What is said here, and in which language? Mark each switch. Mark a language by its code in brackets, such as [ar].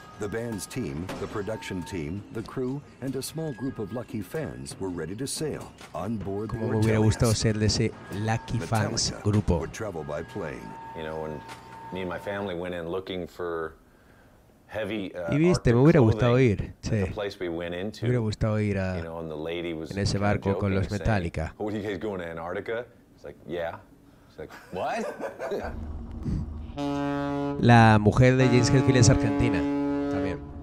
[en] The band's team, the production team, the crew, and a small group of lucky fans were ready to sail on board Mortellus. [es] Como me hubiera gustado ser de ese [en] lucky fans [es] grupo. [en] You know, when me and my family went in looking for [es] Y viste, me hubiera gustado ir, sí. Me hubiera gustado ir a, en ese barco con los Metallica. La mujer de James Hetfield es argentina, también.